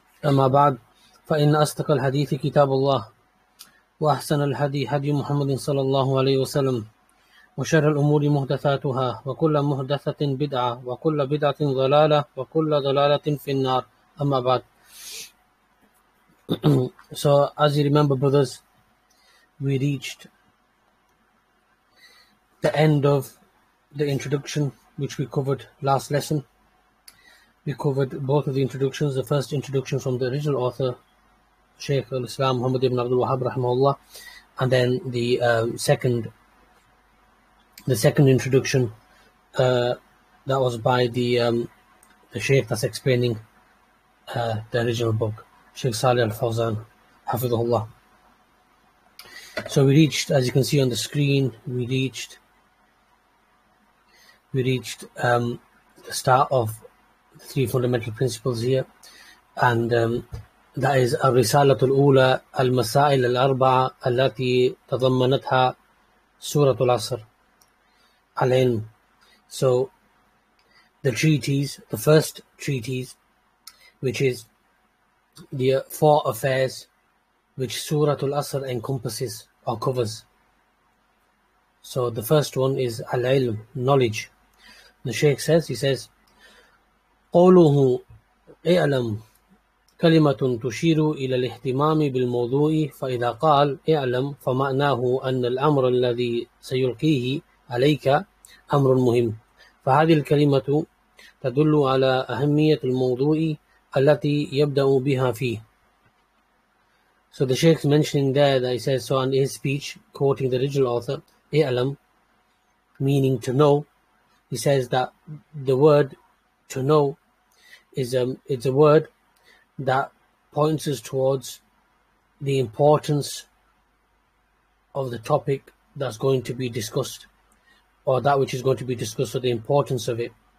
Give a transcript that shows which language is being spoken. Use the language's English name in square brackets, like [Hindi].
[Arabic] أما بعد فإن أصدق الحديث كتاب الله وأحسن الهدي هدي محمد صلى الله عليه وسلم وشر الأمور محدثاتها وكل محدثة بدعة وكل بدعة ضلالة وكل ضلالة في النار أما بعد [English] So as you remember brothers, we reached the end of the introduction which we covered last lesson. We covered both of the introductions, the first introduction from the original author Shaykh Al-Islam Muhammad ibn Abdul Wahab rahimahullah, and then the second introduction that was by the Shaykh that's explaining the original book, Shaykh Saleh Al Fawzan, hafidhullah. So we reached, as you can see on the screen, we reached the start of the three fundamental principles here, and that is Ar-Risalatul Ula Al-Masail Al-Arba'a Allati Tadhammanatha Suratul Asr Al-Ilm. So the first treatise, which is the four affairs which Suratul Asr encompasses or covers. So the first one is Al-Ilm, knowledge. The Shaykh says, he says, [Arabic] قَوْلُهُ إِعْلَمْ كَلِمَةٌ تُشِيرُ إِلَى الْإِهْتِمَامِ بِالْمَوْضُوعِ فَإِذَا قَالَ إِعْلَمْ فَمَعْنَاهُ أَنَّ الْأَمْرَ الَّذِي سَيُلْقِيهِ عَلَيْكَ أَمْرٌ مُهِمٌ فَهَذِهِ الْكَلِمَةُ تَدُلُّ عَلَى أَهَمِّيَةِ الْمَوْضُوعِ الَّتِي يَبْدَأُ بِهَا فِيهِ. [English] So the Shaykh is mentioning there that he says, so in his speech, quoting the original author, إِعْلَمْ, meaning to know, he says that the word to know is it's a word that points us towards the importance of the topic that's going to be discussed, or that which is going to be discussed, or the importance of it.